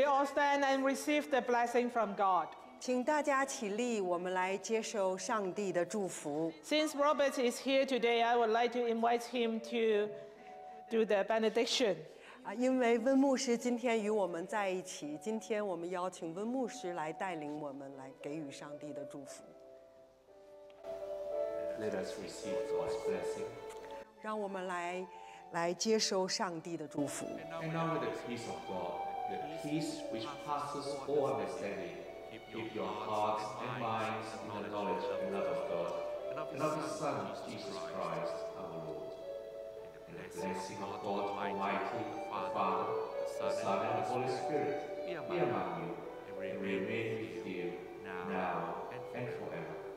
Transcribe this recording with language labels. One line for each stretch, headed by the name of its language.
English: Stand and receive the blessing from God.
Chinese: 请大家起立，我们来接受上帝的祝福。
English: Since Robert is here today, I would like to invite him to do the benediction.
Chinese: 因为温牧师今天与我们在一起，今天我们邀请温牧师来带领我们来给予上帝的祝福。
English: Let us receive God's blessing.
Chinese: 让我们来接受上帝的祝福。
English: And now with the peace of God. The peace which passes all understanding, keep your hearts and minds in the knowledge and love of God, and of His Son, Jesus Christ, our Lord. And the blessing of God Almighty, the Father, the Son, and the Holy Spirit be among you and remain with you now and forever.